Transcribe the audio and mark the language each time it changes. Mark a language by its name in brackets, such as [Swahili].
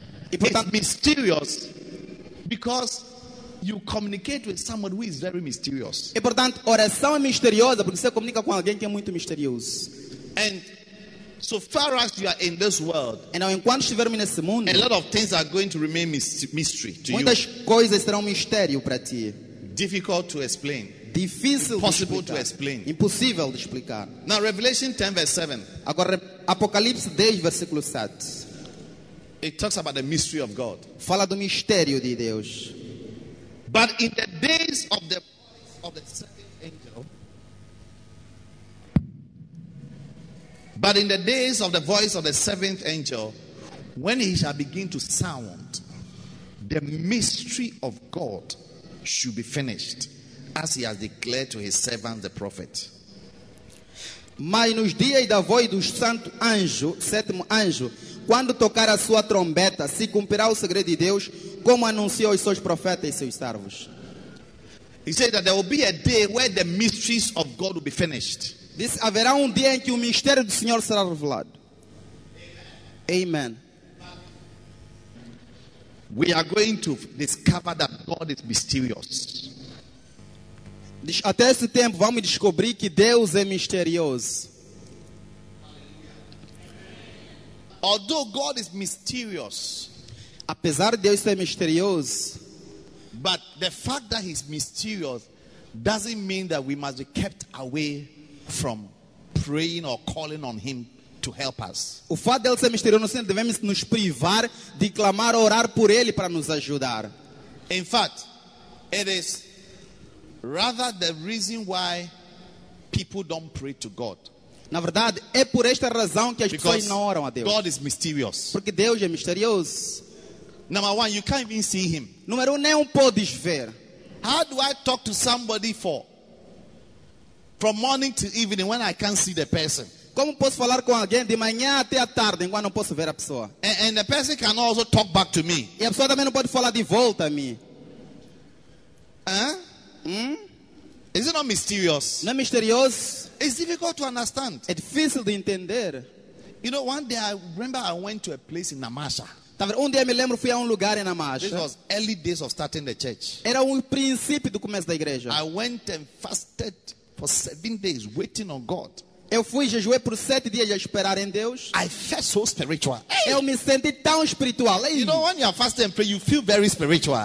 [Portuguese] E, portanto, [English] it's mysterious because you communicate with someone who is very mysterious. [Portuguese] E, portanto, oração é misteriosa porque você comunica com alguém que é muito misterioso. [English] And so far as you are in this world, [Portuguese] então, enquanto estivermos nesse mundo, [English] a lot of things are going to remain mystery to [Portuguese] you. Muitas coisas serão mistério para ti. [English] Difficult to explain. [Portuguese] Difícil [English] possible to explain. [Portuguese] Impossível de explicar. [English] Now Revelation 10 verse 7. [Portuguese] Agora Apocalipse 10 versículo 7. [English] It talks about the mystery of God. [Portuguese] Fala do mistério de Deus. [English] But in the days of the second angel. But in the days of the voice of the seventh angel, when he shall begin to sound, the mystery of God should be finished, as he has declared to his servant the prophet. [Portuguese] Mas nos dias da voz do santo anjo, sétimo anjo, quando tocar a sua trombeta, se cumprirá o segredo de Deus, como anunciou os seus profetas e seus servos. [English] He said that there will be a day where the mysteries of God will be finished. [Portuguese] Diz, haverá um dia em que o mistério do Senhor será revelado. [English] Amen. Amen. We are going to discover that God is mysterious. [Portuguese] Diz, até esse tempo vamos descobrir que Deus é misterioso. [English] Although God is mysterious, [Portuguese] apesar de Deus ser misterioso, [English] but the fact that he's mysterious doesn't mean that we must be kept away from praying or calling on him to help us. [Portuguese] O fato dele ser misterioso, não devemos nos privar de clamar, orar por ele para nos ajudar. [English] In fact, it is rather the reason why people don't pray to God. [Portuguese] Na verdade, é por esta razão que as pessoas não oram a Deus. [English] God is mysterious. [Portuguese] Porque Deus é misterioso. [English] Number one, you can't even see him. [Portuguese] Número 1, nem podes ver. [English] How do I talk to somebody from morning to evening when I can't see the person? [Portuguese] Como posso falar com alguém de manhã até à tarde quando não posso ver a pessoa? [English] And the person can also talk back to me. [Portuguese] E a pessoa também não pode falar de volta a mim. [English] Is it not mysterious? [Portuguese] Não é misterioso? [English] It's difficult to understand. [Portuguese] É difícil de entender. [English] You know, one day I remember I went to a place in Namasha. [Portuguese] Um dia me lembro, fui a lugar em Namasha. [English] This was early days of starting the church. [Portuguese] Era princípio do começo da igreja. [English] I went and fasted for 7 days waiting on God. [Portuguese] Eu fui jejuar por 7 dias a esperar em Deus. [English] I felt so spiritual. [Portuguese] Eu me senti tão espiritual. [English] You know, when you are fasting and praying, you feel very spiritual.